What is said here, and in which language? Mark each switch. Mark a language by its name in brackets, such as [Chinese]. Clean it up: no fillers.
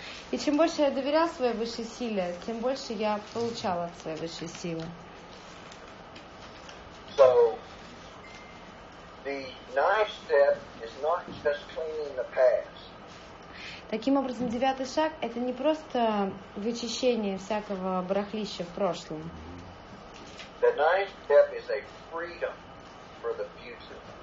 [Russian] И чем больше я доверял своей высшей силе, тем больше я получал от своей высшей силы. [English] So, the ninth step is not just cleaning the past. [Russian] Таким образом, девятый шаг – это не просто вычищение всякого барахлища в прошлом. [English] The ninth step is a freedom for the future.